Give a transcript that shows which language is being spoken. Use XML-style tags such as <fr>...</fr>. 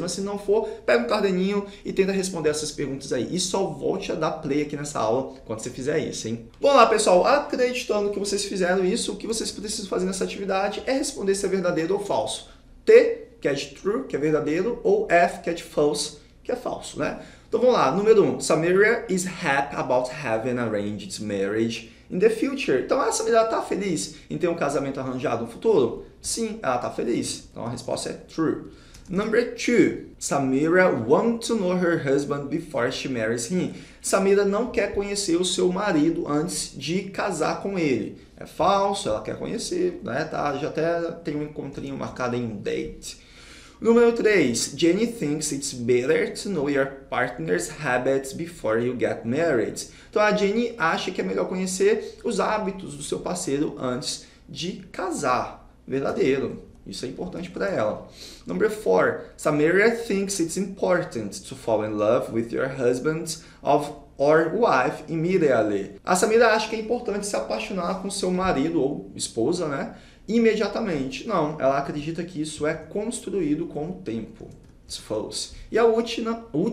<pt>Mas se não for, pega um caderninho e tenta responder essas perguntas aí. E só volte a dar play aqui nessa aula quando você fizer isso, hein? Bom, lá, pessoal, acreditando que vocês fizeram isso, o que vocês precisam fazer nessa atividade é responder se é verdadeiro ou falso. T, que é de true, que é verdadeiro, ou F, que é de false, que é falso, né? Então vamos lá, número 1.</pt> <en>Samira is happy about having arranged marriage in the future.</en> <pt>Então a Samira está feliz em ter um casamento arranjado no futuro? Sim, ela está feliz. Então a resposta é true.</pt> <en>Number 2. Samira wants to know her husband before she marries him.</en> <pt>Samira não quer conhecer o seu marido antes de casar com ele. É falso, ela quer conhecer, né? Tá, já até tem um encontrinho marcado em um date. Número 3.</pt> <en>Jenny thinks it's better to know your partner's habits before you get married.</en> <pt>Então a Jenny acha que é melhor conhecer os hábitos do seu parceiro antes de casar. Verdadeiro. Isso é importante para ela.</pt> <en>Number 4. Samira thinks it's important to fall in love with your husband of or wife immediately.</en> <pt>A Samira acha que é importante se apaixonar com seu marido ou esposa, né? Imediatamente. Não, ela acredita que isso é construído com o tempo.</pt> <en>It's false.</en> <pt>E a última.</pt>